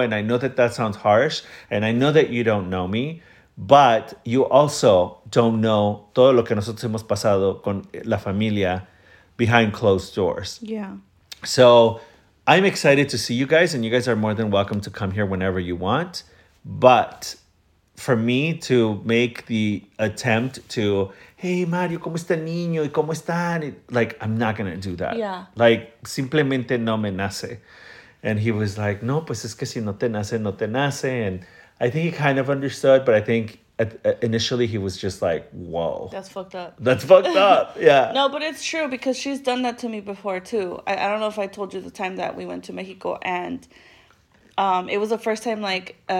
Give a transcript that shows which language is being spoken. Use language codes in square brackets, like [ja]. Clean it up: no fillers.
[en] And I know that that sounds harsh. And I know that you don't know me. But you also don't know [es] todo lo que nosotros hemos pasado con la familia [en] behind closed doors. Yeah. So I'm excited to see you guys, and you guys are more than welcome to come here whenever you want. But for me to make the attempt to, hey, Mario, [es] ¿cómo está el niño? ¿Cómo están? [en] Like, I'm not going to do that. Yeah. [es] Like, simplemente no me nace. [en] And he was like, [es] no, pues es que si no te nace, no te nace. [en] And I think he kind of understood, but I think initially he was just like, whoa. That's fucked up. That's fucked up, yeah. No, but it's true because she's done that to me before too. I don't know if I told you the time that we went to Mexico and it was the first time, like,